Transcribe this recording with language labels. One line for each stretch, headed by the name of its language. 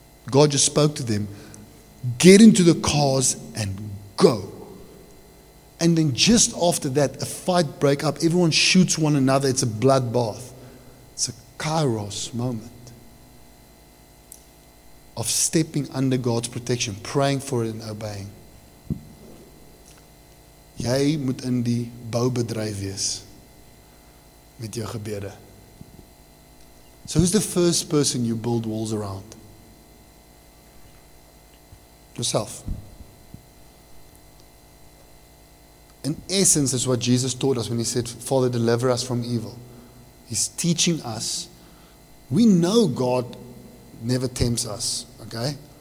English: God just spoke to them, get into the cars and go. And then just after that, a fight break up. Everyone shoots one another. It's a bloodbath. It's a kairos moment of stepping under God's protection, praying for it and obeying.
Afrikaans: Jy moet in die boubedryf wees met jou gebede.
English: So who's the first person you build walls around? Yourself. In essence, is what Jesus taught us when he said, Father, deliver us from evil. He's teaching us. We know God never tempts us, okay?